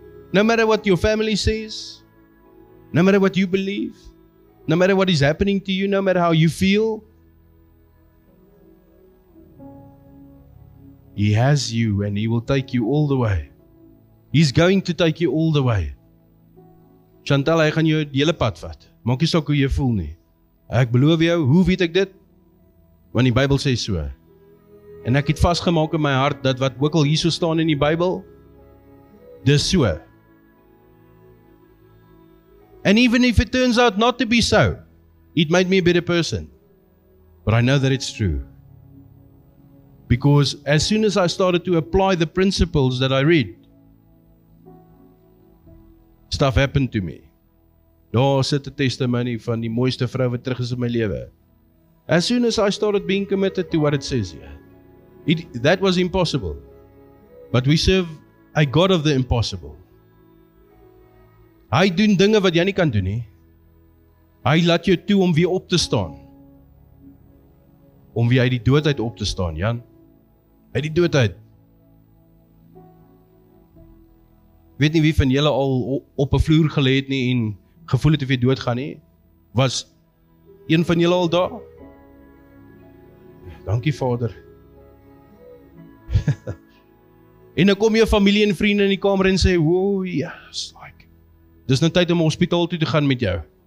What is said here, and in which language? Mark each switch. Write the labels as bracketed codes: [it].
[en] No matter what your family says, no matter what you believe, no matter what is happening to you, no matter how you feel, He has you and He will take you all the way. He's going to take you all the way. [af] Chantal, hy gaan jou die hele pad vat. Maak nie saak hoe jy voel nie. Ek beloof jou, hoe weet ek dit? Want die Bybel sê so. En ek het vasgemaak in my hart dat wat ook al hierso staan in die Bybel, dis so. [en] And even if it turns out not to be so, it made me a better person. But I know that it's true. Because as soon as I started to apply the principles that I read, stuff happened to me. [af] Daar sit 'n testimony van die mooiste vrou wat terug is in my lewe. [en] As soon as I started being committed to what it says here, that was impossible. But we serve a God of the impossible. [af] Hy doen dinge wat jy nie kan doen nie. Hy laat jou toe om weer op te staan. Om weer uit die doodheid op te staan, Jan. Uit die doodheid. Weet nie wie van julle al op 'n vloer gelê het nie en gevoel het of jy doodgaan nie. Was een van julle al daar? Dankie Vader. En dan kom jou familie en vriende in die kamer en sê, "Ooh, ja, like. Dis nou tyd om hospitaal toe te gaan met jou."